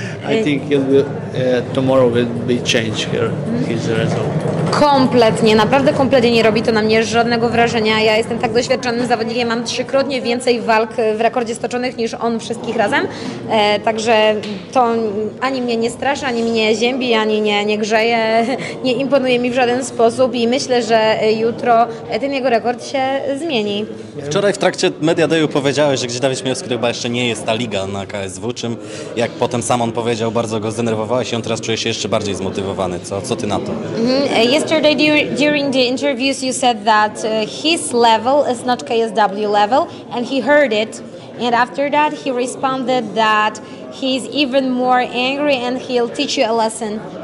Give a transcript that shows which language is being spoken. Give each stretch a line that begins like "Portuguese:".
English: I think tomorrow will be changed here. His result.
Polish: Kompletnie, naprawdę kompletnie nie robi to na mnie żadnego wrażenia. Ja jestem tak doświadczonym zawodnikiem, mam trzykrotnie więcej walk w rekordzie stoczonych niż on wszystkich razem. Także to ani mnie nie straszy, ani mnie ziębi, ani nie grzeje, nie imponuje mi w żaden sposób i myślę, że jutro ten jego rekord się zmieni. Wczoraj w trakcie Media Dayu powiedziałeś, że gdzie Dawid Śmiałowski chyba jeszcze nie jest ta liga na KSW, czym jak potem sam on powiedział, bardzo go zdenerwowałeś i on teraz czuje się jeszcze bardziej zmotywowany. Co ty na to?
English: Yesterday during the interviews you said that his level is not KSW level and he heard it, and after that he responded that he's even more angry and he'll teach you a lesson.